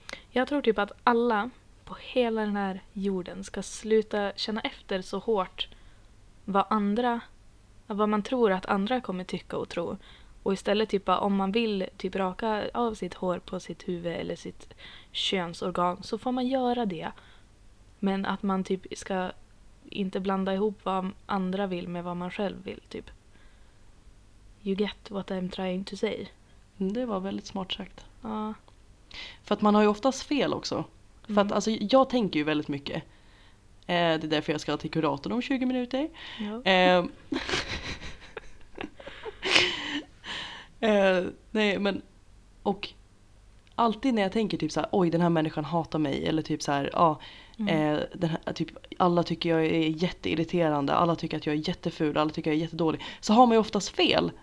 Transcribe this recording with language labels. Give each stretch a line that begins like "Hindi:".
Swedish: Jag tror typ att alla på hela den här jorden ska sluta känna efter så hårt vad andra, vad man tror att andra kommer tycka och tro. Och istället typ om man vill typ raka av sitt hår på sitt huvud eller sitt könsorgan så får man göra det. Men att man typ ska inte blanda ihop vad andra vill med vad man själv vill typ.
English: You get what I'm trying to say.
Swedish: Det var väldigt smart sagt. Ja. För att man har ju oftast fel också. För att alltså, jag tänker ju väldigt mycket. Det är därför jag ska till kuratorn om 20 minuter. Ja. Nej, men och alltid när jag tänker typ så här, oj, den här människan hatar mig, eller typ så här, den här, typ, alla tycker jag är jätteirriterande, alla tycker att jag är jätteful, alla tycker jag är jättedålig, så har man ju oftast fel.